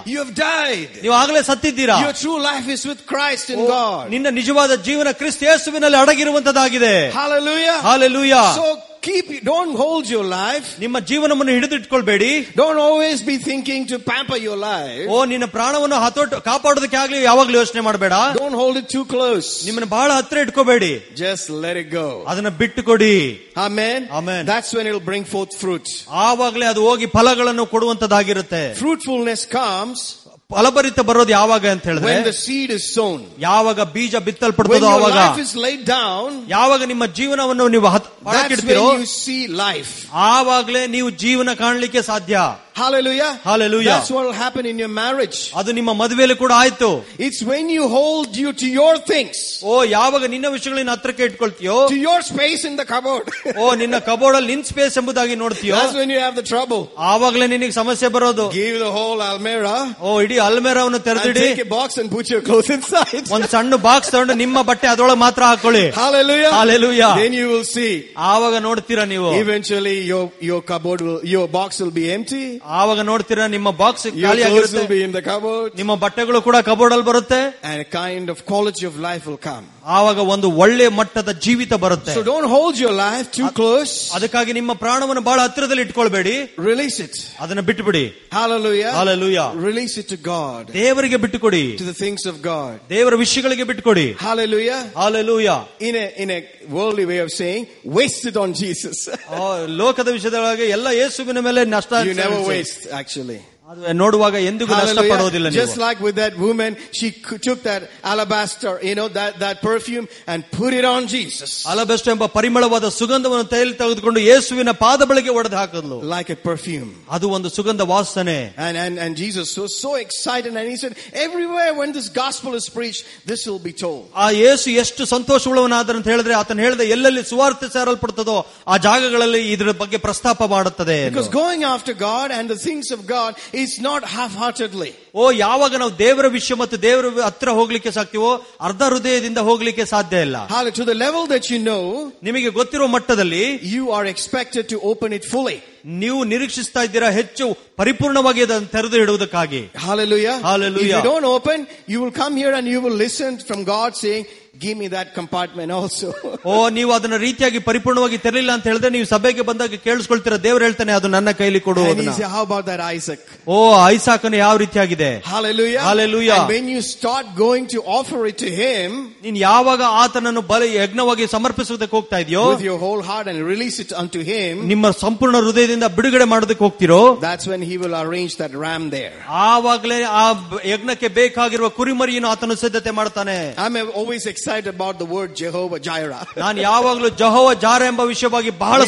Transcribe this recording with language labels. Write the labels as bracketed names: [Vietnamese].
[English] You have died. [Kannada] ನೀವು ಆಗಲೇ ಸತ್ತಿದ್ದೀರಾ. [English] Your true life is with Christ in God. [Kannada] ನಿನ್ನ ನಿಜವಾದ ಜೀವನ ಕ್ರಿಸ್ತ ಯೇಸುವಿನಲ್ಲಿ ಅಡಗಿರುವಂತದಾಗಿದೆ. [English] Hallelujah. Hallelujah. Keep, don't hold your life. [Kannada] ನಿಮ್ಮ ಜೀವನವನ್ನು ಹಿಡಿದಿಟ್ಕೊಳ್ಬೇಡಿ. [English] Don't always be thinking to pamper your life. [Kannada] ಓ ನಿನ್ನ ಪ್ರಾಣವನ್ನು ಹತೋಟ ಕಾಪಾಡೋದಕ್ಕೆ ಆಗ್ಲಿ ಯಾವಾಗ್ಲೂ ಯೋಚನೆ ಮಾಡಬೇಡ. [English] Don't hold it too close. [Kannada] ನಿಮ್ಮನ್ನು ಬಹಳ ಹತ್ತಿರ ಇಟ್ಕೋಬೇಡಿ. [English] Just let it go. [Kannada] ಅದನ್ನ ಬಿಟ್ಟು ಕೊಡಿ. [English] Amen. Amen. That's when it'll bring forth fruit. [Kannada] ಆವಾಗ್ಲೇ ಅದು ಹೋಗಿ ಫಲಗಳನ್ನು ಕೊಡುವಂತದಾಗಿರುತ್ತೆ. [English] Fruitfulness comes. [Kannada] ಫಲಭರಿತ ಬರೋದು ಯಾವಾಗ ಅಂತ ಹೇಳಿದ್ರೆ [English] when the seed is sown, [Kannada] ಯಾವಾಗ ಬೀಜ ಬಿತ್ತಲ್ಪಡ್ತದೋ ಆವಾಗ. [English] When your life is laid down, [Kannada] ಯಾವಾಗ ನಿಮ್ಮ ಜೀವನವನ್ನು ನೀವು ಹಾಕಿಡ್ತೀರೋ [English] that's when you see life. [Kannada] ಆವಾಗಲೇ ನೀವು ಜೀವನ ಕಾಣಲಿಕ್ಕೆ ಸಾಧ್ಯ. [English] Hallelujah. Hallelujah. That's what will happen in your marriage. [Kannada] ಅದು ನಿಮ್ಮ ಮದುವೆಯಲ್ಲಿ ಕೂಡ ಆಯ್ತು. [English] It's when you hold you to your things. [Kannada] ಓ ಯಾವಾಗ ನಿನ್ನ ವಿಷಯಗಳನ್ನ ಹತ್ರಕ್ಕೆ ಇಟ್ಕೊಳ್ತೀಯೋ [English] to your space in the cupboard. [Kannada] ಓ ನಿನ್ನ ಕಬೋರ್ಡ್ ಅಲ್ಲಿ ನಿನ್ನ ಸ್ಪೇಸ್ ಎಂಬುದಾಗಿ ನೋಡ್ತೀಯೋ [English] that's when you have the trouble. [Kannada] ಆವಾಗಲೇ ನಿನಗೆ ಸಮಸ್ಯೆ ಬರೋದು. [English] Give the whole almirah. [Kannada] ಓ ಇಡೀ ಅಲ್ಮೇರಾವನ್ನು ತೆರೆದಿಡಿ. [English] Take a box and put your clothes inside. [Kannada] ಒಂದು ಸಣ್ಣ ಬಾಕ್ಸ್ ತಗೊಂಡು ನಿಮ್ಮ ಬಟ್ಟೆ ಅದೊಳಗೆ ಮಾತ್ರ ಹಾಕೊಳ್ಳಿ. [English] Hallelujah. Hallelujah. Then you will see. [Kannada] ಆವಾಗ ನೋಡ್ತೀರಾ ನೀವು. [English] Eventually your cupboard will, your box will be empty. [Kannada] ಆವಾಗ ನೋಡ್ತೀರಾ ನಿಮ್ಮ ಬಾಕ್ಸ್ ಖಾಲಿ ಆಗಿರುತ್ತೆ. ನಿಮ್ಮ ಬಟ್ಟೆಗಳು ಕೂಡ ಕಬೋರ್ಡ್ ಅಲ್ಲಿ ಬರುತ್ತೆ. [English] And a kind of quality of life will come. [Kannada] ಆವಾಗ ಒಂದು ಒಳ್ಳೆ ಮಟ್ಟದ ಜೀವಿತ ಬರುತ್ತೆ. [English] So don't hold your life too close. [Kannada] ಅದಕ್ಕಾಗಿ ನಿಮ್ಮ ಪ್ರಾಣವನ್ನು ಬಹಳ ಹತ್ತಿರದಲ್ಲಿ ಇಟ್ಕೊಳ್ಬೇಡಿ. [English] Release it. [Kannada] ಅದನ್ನ ಬಿಟ್ಟುಬಿಡಿ. [English] Hallelujah. Hallelujah. Release it to God. [Kannada] ದೇವರಿಗೆ ಬಿಟ್ಟುಕೊಡಿ. [English] To the things of God. [Kannada] ದೇವರ ವಿಷಯಗಳಿಗೆ ಬಿಟ್ಟುಕೊಡಿ. [English] Hallelujah. Hallelujah. In a worldly way of saying wasted on Jesus. [Kannada] ಲೋಕದ ವಿಷಯದೊಳಗೆ ಎಲ್ಲ ಯೇಸುವಿನ ಮೇಲೆ ನಷ್ಟ. [English] You never waste actually. [Kannada] ನೋಡುವಾಗ ಎಂದಿಗೂ ನಷ್ಟಪಡೋದಿಲ್ಲ. [English] Just like with that woman, she took that alabaster, you know, that perfume and put it on Jesus. [Kannada] Alabaster ಎಂಬ ಪರಿಮಳವಾದ ಸುಗಂಧವನ್ನು ತೈಲ ತೆಗೆದುಕೊಂಡು ಯೇಸುವಿನ ಪಾದಬಳಿಗೆ ಒಡೆದು ಹಾಕಿದ್ಲು. [English] Like a perfume. [Kannada] ಅದು ಒಂದು ಸುಗಂಧ ವಾಸನೆ. [English] And Jesus was so excited and he said, everywhere when this gospel is preached, this will be told. [Kannada] ಆ ಯೇಸು ಎಷ್ಟು ಸಂತೋಷವುಳ್ಳವನಾದರು ಅಂತ ಹೇಳಿದ್ರೆ ಆತನ ಹೇಳಿದ ಎಲ್ಲೆಲ್ಲಿ ಸುವಾರ್ತೆ ಸಾರಲ್ಪಡುತ್ತದೋ ಆ ಜಾಗಗಳಲ್ಲಿ ಇದರ ಬಗ್ಗೆ ಪ್ರಸ್ತಾಪ ಮಾಡುತ್ತದೆ. [English] Because going after God and the things of God is not half heartedly. [Kannada] ಓ ಯಾವಾಗ ನಾವು ದೇವರ ವಿಷಯ ಮತ್ತು ದೇವರ ಹತ್ರ ಹೋಗ್ಲಿಕ್ಕೆ ಸಾಕ್ತೀವೋ ಅರ್ಧ ಹೃದಯದಿಂದ ಹೋಗ್ಲಿಕ್ಕೆ ಸಾಧ್ಯ ಇಲ್ಲ. [English] Hallelujah. To the level that you know, [Kannada] ನಿಮಗೆ ಗೊತ್ತಿರುವ ಮಟ್ಟದಲ್ಲಿ [English] you are expected to open it fully. [Kannada] ನೀವು ನಿರೀಕ್ಷಿಸ್ತಾ ಇದ್ದೀರಾ ಹೆಚ್ಚು ಪರಿಪೂರ್ಣವಾಗಿ ಅದನ್ನು ತೆರೆದು ಇಡುವುದಕ್ಕಾಗಿ. [English] Hallelujah. Hallelujah. If you don't open, you will come here and you will listen from God saying, give me that compartment also. [Kannada] ಓ ನೀವು ಅದನ್ನ ರೀತಿಯಾಗಿ ಪರಿಪೂರ್ಣವಾಗಿ ತೆರಲಿಲ್ಲ ಅಂತ ಹೇಳಿದ್ರೆ ನೀವು ಸಭೆಗೆ ಬಂದಾಗ ಕೇಳಿಸ್ಕೊಳ್ತೀರ. ದೇವರು ಹೇಳ್ತಾನೆ ಅದು ನನ್ನ ಕೈಲಿ ಕೊಡು. [English] Isaac. [Kannada] ಓ ಐಸಾಕನ್ ಯಾವ ರೀತಿಯಾಗಿದೆ. [English] Hallelujah. Hallelujah. When you start going to offer it to him, [Kannada] ನೀನ್ ಯಾವಾಗ ಆತನನ್ನು ಬಲಿ ಯಜ್ಞವಾಗಿ ಸಮರ್ಪಿಸುವುದಕ್ಕೆ ಹೋಗ್ತಾ ಇದೆಯೋ [English] with your whole heart and release it unto him, [Kannada] ನಿಮ್ಮ ಸಂಪೂರ್ಣ ಹೃದಯದಿಂದ ಬಿಡುಗಡೆ ಮಾಡೋದಕ್ಕೆ ಹೋಗ್ತಿರೋ [English] that's when he will arrange that ram there. [Kannada] ಆವಾಗಲೇ ಆ ಯಜ್ಞಕ್ಕೆ ಬೇಕಾಗಿರುವ ಕುರಿಮರಿಯನ್ನು ಆತನು ಸಿದ್ಧತೆ ಮಾಡ್ತಾನೆ. [English] I'm always excited about the word Jehovah Jireh. [Kannada] ನಾನು ಯಾವಾಗಲೂ ಜಹೋವಾ ಜಾರೆ ಎಂಬ ವಿಷಯವಾಗಿ ಬಹಳ